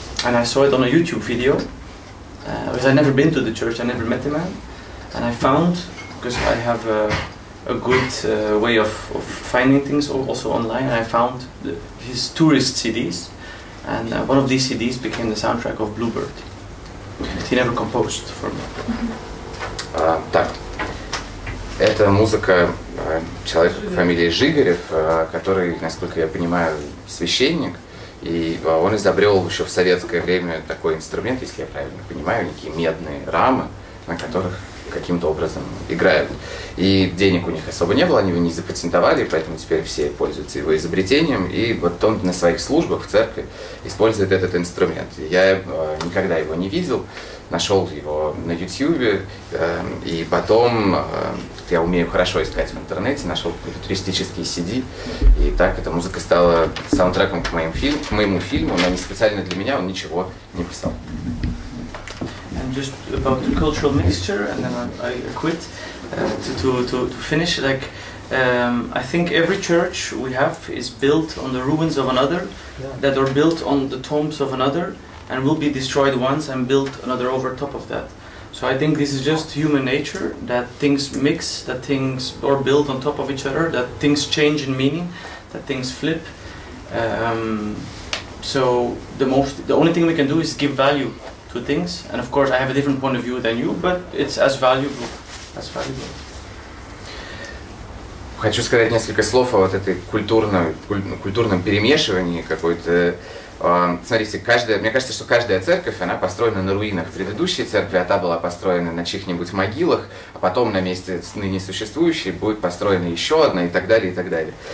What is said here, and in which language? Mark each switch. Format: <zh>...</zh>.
<en>And I saw it on a YouTube video. Because I never been to the church, I never met the man, and I found, because I have a good way of finding things also online, and I found his tourist CDs, and one of these CDs became the soundtrack of Bluebird. He never composed for me.</en> <ru>Так, это музыка человека по фамилии Жигарев, который, насколько я понимаю, священник. И он изобрел еще в советское время такой инструмент, если я правильно понимаю, некие медные рамы, на которых каким-то образом играют. И денег у них особо не было, они его не запатентовали, поэтому теперь все пользуются его изобретением. И вот он на своих службах в церкви использует этот инструмент. Я никогда его не видел, нашел его на YouTube, и потом, я умею хорошо искать в интернете, нашел туристические CD, и так эта музыка стала саундтреком к моему фильму, но не специально для меня, он ничего не писал.</ru> <en>Just about the cultural mixture, and then I quit to finish. Like I think every church we have is built on the ruins of another, yeah. That are built on the tombs of another, and will be destroyed once and built another over top of that. So I think this is just human nature, that things mix, that things are built on top of each other, that things change in meaning, that things flip. So the only thing we can do is give value to things, and of course I have a different point of view than you, but it's as valuable.</en> <ru>Хочу сказать несколько слов о вот этой культурном перемешивании какой-то. Смотрите, мне кажется, что каждая церковь, она построена на руинах предыдущей церкви, а та была построена на чьих-нибудь могилах, а потом на месте ныне существующей будет построена еще одна и так далее, и так далее.</ru>